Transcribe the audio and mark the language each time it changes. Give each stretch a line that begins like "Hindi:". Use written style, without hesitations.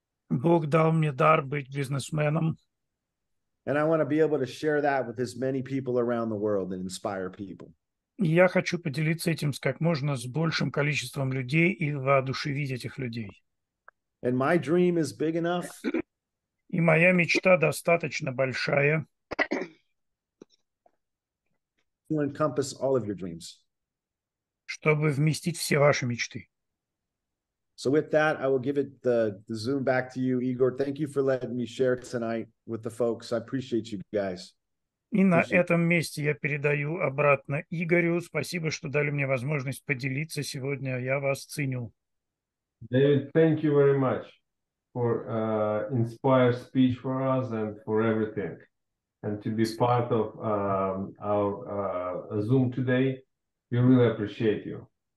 Russian: Бог дал мне дар быть бизнесменом.
English: And I want to be able to share that with as many people around the world and inspire people.
Russian: Я хочу поделиться этим с как можно с большим количеством людей и воодушевить этих людей.
English: And my dream is big enough.
Russian: И моя мечта достаточно большая.
English: To encompass all of your dreams.
Russian: Чтобы вместить все ваши мечты.
English: So with that, I will give it the Zoom back to you, Igor. Thank you for letting me share tonight with the folks. I appreciate you guys.
Russian: И на этом месте я передаю обратно Игорю. Спасибо, что дали мне возможность поделиться сегодня. Я вас ценю.
English: David, thank you very much for inspired speech for us and for everything. And to be part of our Zoom today, we really appreciate you.